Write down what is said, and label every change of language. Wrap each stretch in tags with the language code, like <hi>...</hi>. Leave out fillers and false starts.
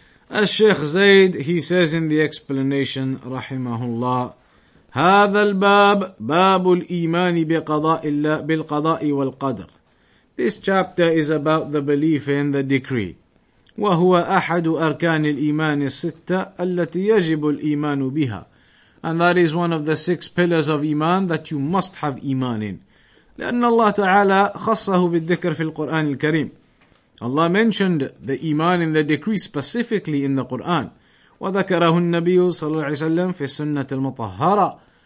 <en>As Shaykh Zaid, he says in the explanation, Rahimahullah,</en> <ar>هَذَا الْبَابُ بَابُ الْإِيمَانِ بِالْقَضَاءِ وَالْقَدْرِ.</ar> <en>This chapter is about the belief in the decree.</en> <ar>وهو أحد أركان الإيمان الستة التي يجب الإيمان بها.</ar> <en>And that is one of the six pillars of إيمان that you must have إيمان in.</en> <ar>لأن الله تعالى خصه بالذكر في القرآن الكريم.</ar> <en>Allah mentioned the إيمان in the decree specifically in the Quran.</en> <ar>وذكره النبي صلى الله عليه وسلم في السنة المطهرة.</ar>